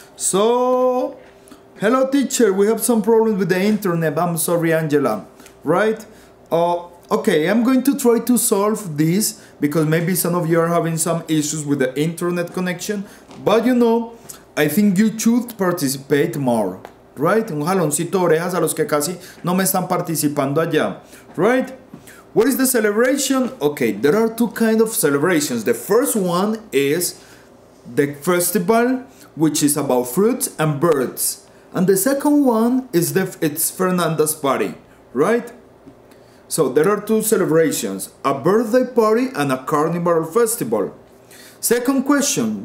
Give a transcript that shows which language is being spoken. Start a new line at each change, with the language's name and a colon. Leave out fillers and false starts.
English: So, hello teacher, we have some problems with the internet. I'm sorry, Angela. Right? Okay, I'm going to try to solve this, because maybe some of you are having some issues with the internet connection. But, you know, I think you should participate more. Right?
Spanish: Un jaloncito de orejas a los que casi no me están participando allá.
English: Right? What is the celebration? Okay, there are two kinds of celebrations. The first one is the festival, which is about fruits and birds. And the second one is it's Fernanda's party. Right? So there are two celebrations. A birthday party and a carnival festival. Second question.